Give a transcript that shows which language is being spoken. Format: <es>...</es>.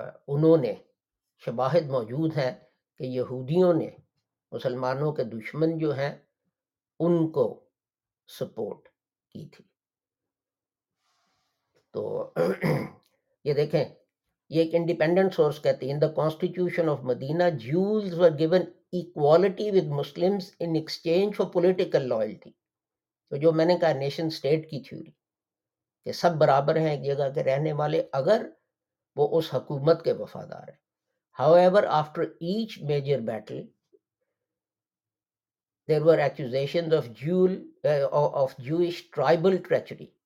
<hi>उन्होंने शवाहिद मौजूद हैं कि यहूदियों ने मुसलमानों के दुश्मन जो हैं उनको सपोर्ट की थी। तो ये देखें, ये एक इंडिपेंडेंट सोर्स कहती है,</hi> <en>In the constitution of Medina Jews were given equality with Muslims in exchange for political loyalty.</en> <hi>तो जो मैंने कहा नेशन स्टेट की थ्योरी, कि सब बराबर हैं एक जगह के रहने वाले अगर वो उस हकूमत के वफादार है।</hi> <en>However after each major battle there were accusations of Jewish tribal treachery.</en>